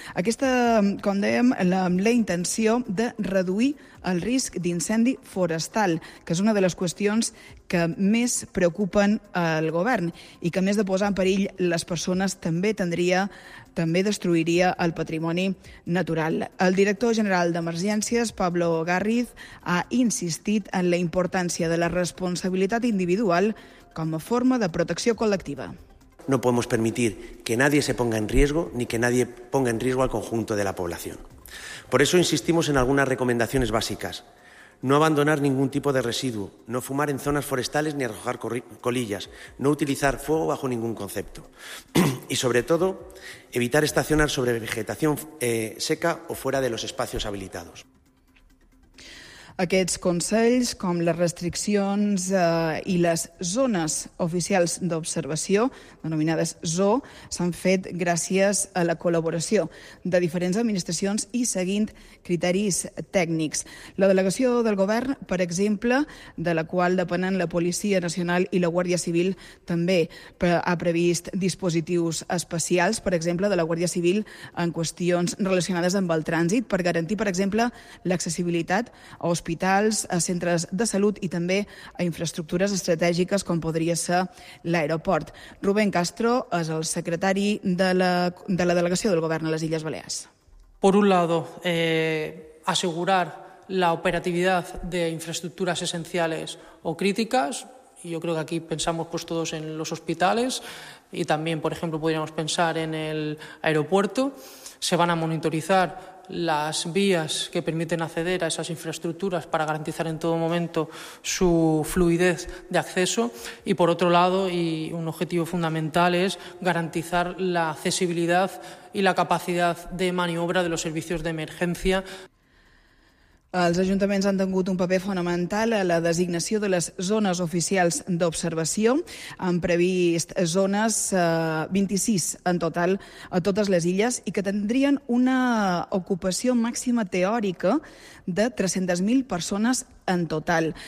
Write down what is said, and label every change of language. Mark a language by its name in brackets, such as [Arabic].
[Catalan] Aquesta, com dèiem, la intenció de reduir el risc d'incendi forestal, que és una de les qüestions que més preocupen el govern i que, a més de posar en perill les persones, també destruiria el patrimoni natural. El director general d'Emergències, Pablo Garrido, ha insistit en la importància de la responsabilitat individual com a forma de protecció col·lectiva. [Spanish] No podemos permitir que nadie se ponga en riesgo ni que nadie ponga en riesgo al conjunto de la población. Por eso insistimos en algunas recomendaciones básicas. No abandonar ningún tipo de residuo, no fumar en zonas forestales ni arrojar colillas, no utilizar fuego bajo ningún concepto. Y sobre todo, evitar estacionar sobre vegetación seca o fuera de los espacios habilitados. [Catalan] Aquests consells, com les restriccions i les zones oficials d'observació, denominades ZOO, s'han fet gràcies a la col·laboració de diferents administracions i seguint criteris tècnics. La delegació del govern, per exemple, de la qual depenen la Policia Nacional i la Guàrdia Civil, també ha previst dispositius especials, per exemple, de la Guàrdia Civil en qüestions relacionades amb el trànsit, per garantir, per exemple, l'accessibilitat a hospitals, a centres de salut i també a infraestructures estratègiques com podria ser l'aeroport. Rubén Castro és el secretari de la delegació del govern a les Illes Balears. [Spanish] Por un lado, asegurar la operatividad de infraestructuras esenciales o críticas. Yo creo que aquí pensamos pues todos en los hospitales y también, por ejemplo, podríamos pensar en el aeropuerto. Se van a monitorizar las vías que permiten acceder a esas infraestructuras para garantizar en todo momento su fluidez de acceso. Y, por otro lado, y un objetivo fundamental es garantizar la accesibilidad y la capacidad de maniobra de los servicios de emergencia. [Catalan] Els ajuntaments han tingut un paper fonamental a la designació de les zones oficials d'observació. Han previst zones 26 en total a totes les illes i que tindrien una ocupació màxima teòrica de 300.000 persones en total.